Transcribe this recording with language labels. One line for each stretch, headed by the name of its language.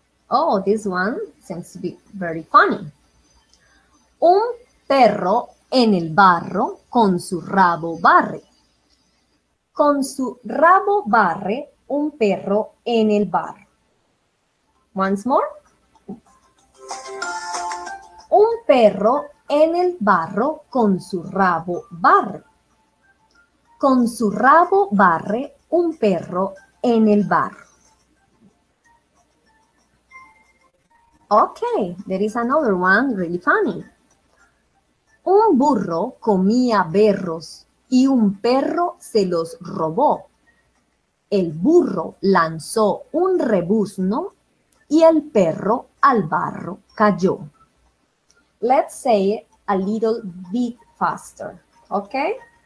English: Oh, this one seems to be very funny.
Spanish: Un perro en el barro con su rabo barre. Con su rabo barre un perro en el barro.
English: Once more.
Spanish: Un perro en el barro con su rabo barre. Con su rabo barre un perro en el barro.
English: Okay, there is another one really funny.
Spanish: Un burro comía berros y un perro se los robó. El burro lanzó un rebuzno y el perro al barro cayó.
English: Let's say it a little bit faster, okay?